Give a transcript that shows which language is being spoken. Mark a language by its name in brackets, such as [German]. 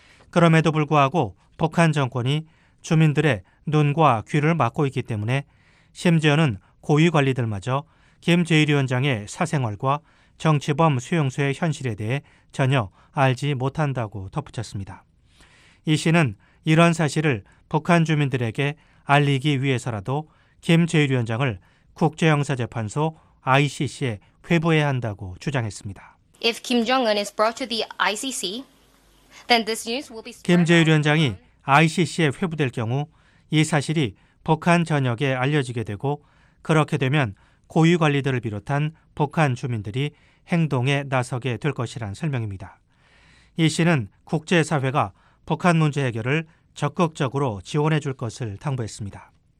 [Korean] 그럼에도 불구하고 북한 정권이 주민들의 눈과 귀를 막고 있기 때문에 심지어는 고위관리들마저 김 제1위원장의 사생활과 정치범 수용소의 현실에 대해 전혀 알지 못한다고 덧붙였습니다. 이 씨는 이런 사실을 북한 주민들에게 알리기 위해서라도 김 제1위원장을 국제형사재판소 ICC에 회부해야 한다고 주장했습니다. [English] If Kim Jong-un is brought to the ICC, then this news will be spread. [Korean] 김 제1위원장이 ICC에 회부될 경우 이 사실이 북한 전역에 알려지게 되고 그렇게 되면 고위관리들을 비롯한 북한 주민들이 행동에 나서게 될 것이란 설명입니다. 이 씨는 국제사회가 북한 문제 해결을 적극적으로 지원해 줄 것을 당부했습니다.